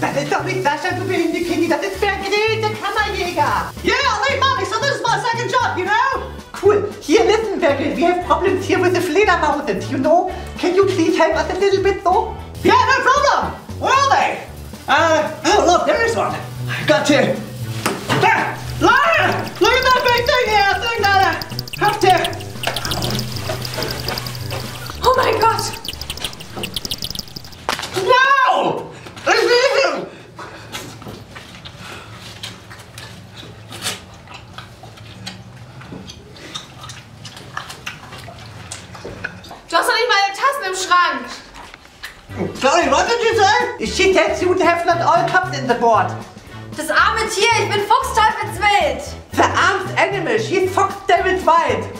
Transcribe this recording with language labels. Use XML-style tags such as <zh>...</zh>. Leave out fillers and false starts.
<de>doch nicht Sascha, du behindertes Kind, das ist Bergrete, Kammerjäger.</de> <en>Yeah,</en> <de>ich mach ich,</de> <en>so this is my second job, you know? Cool, hier listen, Bergrete, we have problems here with the Fledermauses, you know? Can you please help us a little bit, though? Yeah, no problem. Where are they? Oh, look, there is one. Got to... Lara! Look at that big thing here, I think that I have to... Oh my God! Wow! It's leaving!</en> <de>Du hast doch nicht meine Tassen im Schrank!</de> <en>Sorry, what did you say? She tells you to have not all cups in the board.</en> <de>Das arme Tier, ich bin Fuchsteufelswild!</de> <en>The armed animal, she is Fox Devil's Wild!</en>